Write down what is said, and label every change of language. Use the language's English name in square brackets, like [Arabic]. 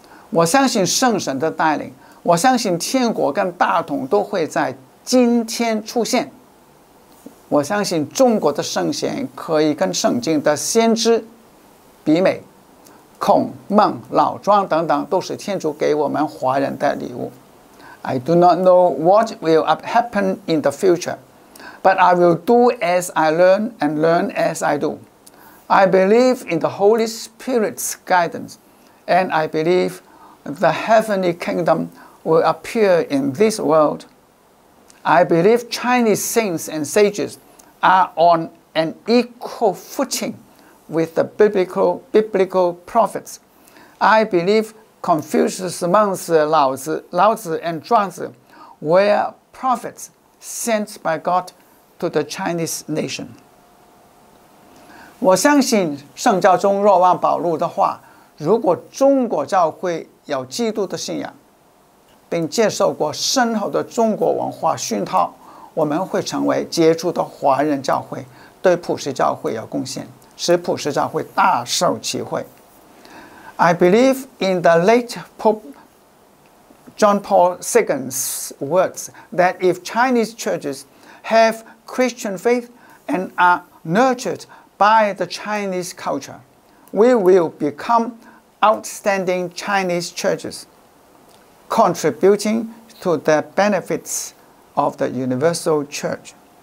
[Chinese] 我相信圣神的带领，我相信天国跟大同都会在今天出现。我相信中国的圣贤可以跟圣经的先知比美。孔孟老庄等等都是天主给我们华人的礼物。 [English] I do not know what will happen in the future, but I will do as I learn and learn as I do. I believe in the Holy Spirit's guidance, and I believe the heavenly kingdom will appear in this world. I believe Chinese saints and sages are on an equal footing with the biblical prophets. I believe Confucius, monks, Lao Tzu, and Zhuang Zi were prophets sent by God to the Chinese nation. [Chinese] 我相信圣教中若望保禄的话，如果中国教会有基督的信仰，并接受过深厚的中国文化熏陶，我们会成为杰出的华人教会，对普世教会有贡献，使普世教会大受其惠。 [English] I believe in the late Pope John Paul II's words that if Chinese churches have Christian faith and are nurtured by the Chinese culture, we will become outstanding Chinese churches, contributing to the benefits of the universal church.